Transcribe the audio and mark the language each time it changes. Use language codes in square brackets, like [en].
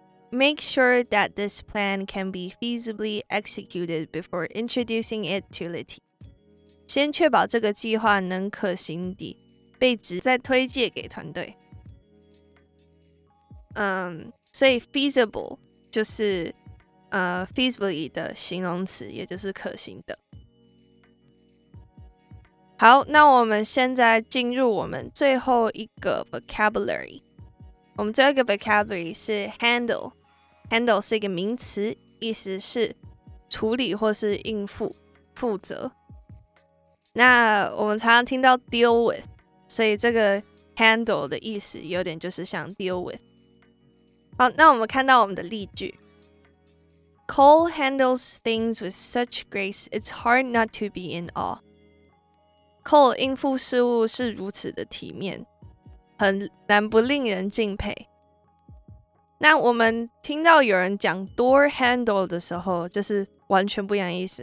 [en] Make sure that this plan can be feasibly executed before introducing it to the team. [zh] 先确保这个计划能可行地被执行，再推介给团队。所以 feasible 就是feasibly 的形容词，也就是可行的。好，那我们现在进入我们最后一个 vocabulary。我们最后一个 vocabulary 是 handle。Handle 是一个名词，意思是处理或是应付、负责。那我们常常听到 [en] deal with， [zh] 所以这个 handle 的意思有点就是像 deal with。好，那我们看到我们的例句。 [en] Cole handles things with such grace, it's hard not to be in awe. [zh] Cole 应付事物是如此的体面，很难不令人敬佩。那我们听到有人讲 door handle 的时候，就是完全不一样的意思。